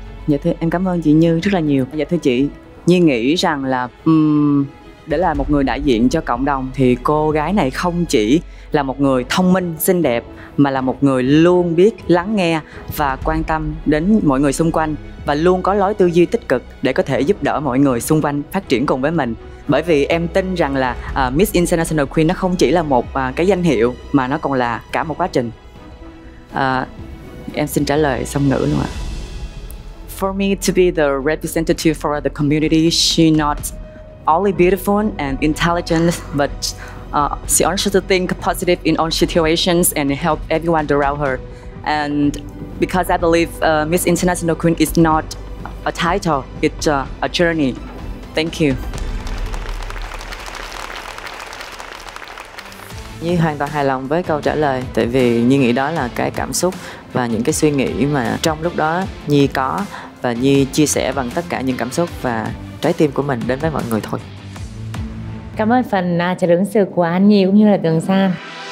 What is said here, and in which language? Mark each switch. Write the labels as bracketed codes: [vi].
[vi] Dạ thưa, em cảm ơn chị Như rất là nhiều. Dạ thưa chị, Như nghĩ rằng là để là một người đại diện cho cộng đồng thì cô gái này không chỉ là một người thông minh, xinh đẹp mà là một người luôn biết lắng nghe và quan tâm đến mọi người xung quanh và luôn có lối tư duy tích cực để có thể giúp đỡ mọi người xung quanh phát triển cùng với mình. Bởi vì em tin rằng là Miss International Queen nó không chỉ là một cái danh hiệu mà nó còn là cả một quá trình. Em xin trả lời song ngữ luôn ạ. [en] For me to be the representative for the community, she not only beautiful and intelligent, but she also to think positive in all situations and help everyone around her. And because I believe Miss International Queen is not a title, it's a journey. Thank you. [vi] Như hoàn toàn hài lòng với câu trả lời, tại vì Như nghĩ đó là cái cảm xúc và những cái suy nghĩ mà trong lúc đó Như có và Như chia sẻ bằng tất cả những cảm xúc và trái tim của mình đến với mọi người thôi. Cảm ơn phần trả lời ứng xử của An Nhi cũng như là Tường San.